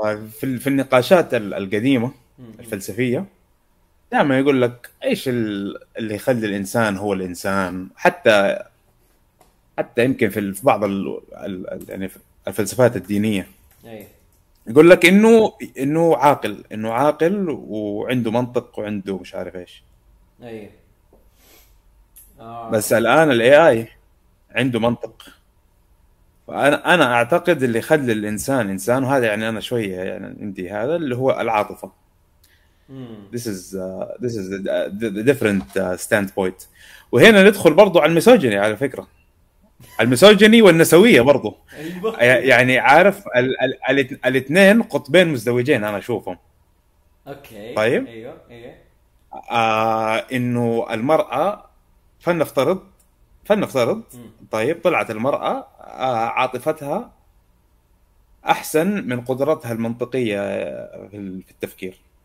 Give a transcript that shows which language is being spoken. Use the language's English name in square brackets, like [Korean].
[Arabic] في النقاشات القديمه الفلسفيه دائما يقول لك ايش اللي يخلي الانسان هو الانسان، حتى يمكن في بعض يعني الفلسفات الدينيه يقول لك انه عاقل وعنده منطق وعنده مش عارف ايش، بس الان الاي اي عنده منطق. فانا اعتقد اللي يخلي الانسان انسان، وهذا يعني انا شويه يعني عندي هذا اللي هو العاطفه. [English] This is the different standpoint. [Arabic] وهنا ندخل برضو على الميسوجيني، على فكره الميسوجيني والنسويه برضو، يعني عارف الاثنين قطبين مزدوجين انا اشوفهم. اوكي طيب ايوه انه المراه، فلنفترض طيب طلعت المرأة عاطفتها أحسن من قدرتها المنطقية في التفكير،